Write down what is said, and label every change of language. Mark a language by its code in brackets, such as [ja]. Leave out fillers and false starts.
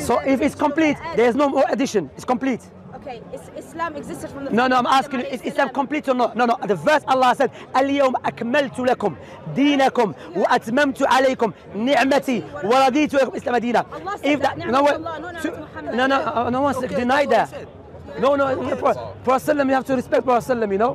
[en] So if it's complete, there's no more addition. It's complete. Okay, Islam existed from the... No, I'm asking you, is Islam complete or not? No, the verse Allah said, [ar] اليوم أكملت لكم دينكم وأتممت عليكم نعمتي ورضيت لكم إسلام دينا. [en] Allah said that, [ar] نعمة الله, نعمة محمد. [en] No one said, deny that. No, Prophet Sallam, you have to respect Prophet Sallam, you know?